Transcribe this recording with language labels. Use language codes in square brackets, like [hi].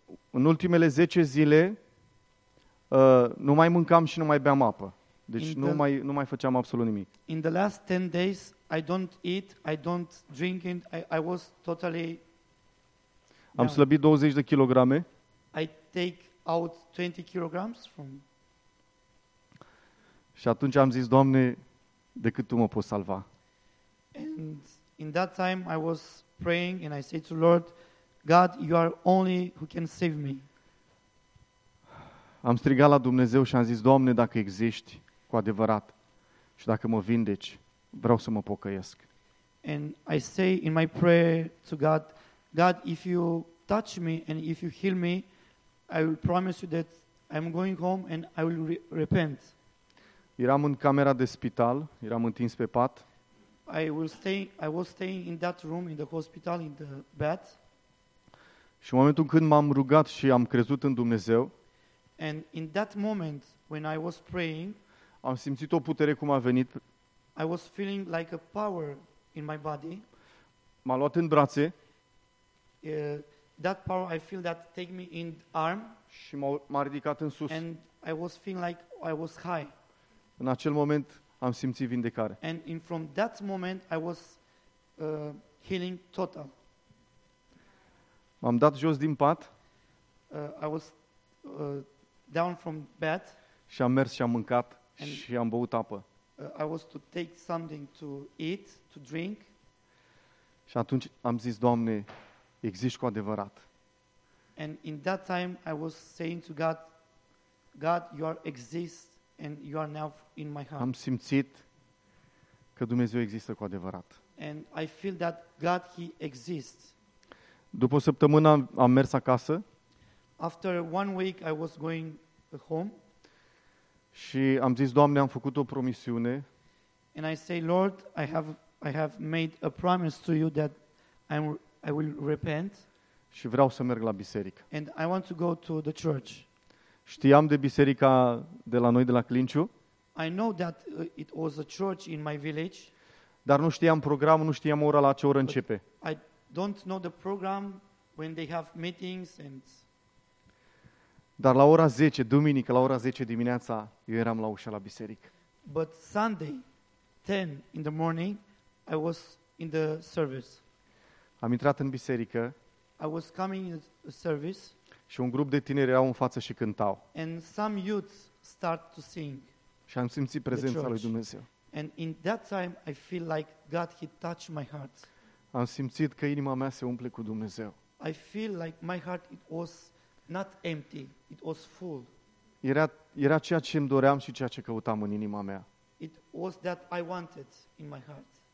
[ro] În ultimele 10 zile nu mai mâncam și nu mai beam apă. Deci nu mai făceam absolut nimic. [en] In the last 10 days I don't eat, I don't drink, and I was totally down. [ro] Am slăbit 20 de kilograme. [en] I take out 20 kilograms from. [ro] Și atunci am zis, Doamne, de cât tu mă poți salva? [en] And in that time I was praying and I said to Lord, God, you are only who can save me. [ro] Am strigat la Dumnezeu și am zis, Doamne, dacă existi cu adevărat și dacă mă vindeci, vreau să mă pocăiesc. [en] And I say in my prayer to God, God, if you touch me and if you heal me, I will promise you that I'm going home and I will repent. [ro] Eram în camera de spital, eram întins pe pat. [en] I was staying in that room in the hospital in the bed. [ro] Și în momentul când m-am rugat și am crezut în Dumnezeu, [en] and in that moment when I was praying, [ro] am simțit o putere cum a venit. [en] I was feeling like a power in my body. [ro] M-a luat în brațe. [en] That power I feel that take me in arm. [ro] Și m-a ridicat în sus. [en] And I was feeling like I was high. [ro] În acel moment am simțit vindecare. [en] And in from that moment I was healing total. [ro] M-am dat jos din pat. [en] I was down from bed. [ro] Și am mers și am mâncat și am băut apă. [en] I was to take something to eat, to drink. [ro] Și atunci am zis, Doamne, existi cu adevărat. [en] And in that time I was saying to God, God, you are exist. And you are now in my heart. [ro] Am simțit că Dumnezeu există cu adevărat. [en] And I feel that God, he exists. [ro] După o săptămână am mers acasă. [en] After one week I was going home. [ro] Și am zis, Doamne, am făcut o promisiune. [en] And I say, Lord, I have made a promise to you that I will repent. [ro] Și vreau să merg la biserică. [en] And I want to go to the church. [ro] Știam de biserica de la noi, de la Clinciu. [en] I know that it was a church in my village. [ro] Dar nu știam programul, nu știam ora la ce oră începe. [en] I don't know the program when they have meetings and... [ro] Dar la ora 10, duminică, la ora 10 dimineața, eu eram la ușa la biserică. [en] But Sunday, 10 in the morning, I was in the service. [ro] Am intrat în biserică. [en] I was coming in the service. [ro] Și un grup de tineri erau în față și cântau. [en] And some youth start to sing. [ro] Și am simțit prezența lui Dumnezeu. [en] And in that time I feel like God, he touched my heart. [ro] Am simțit că inima mea se umple cu Dumnezeu. [en] I feel like my heart it was not empty, it was full. [ro] Era ceea ce îmi doream și ceea ce căutam în inima mea. [en] It was that I wanted in my heart.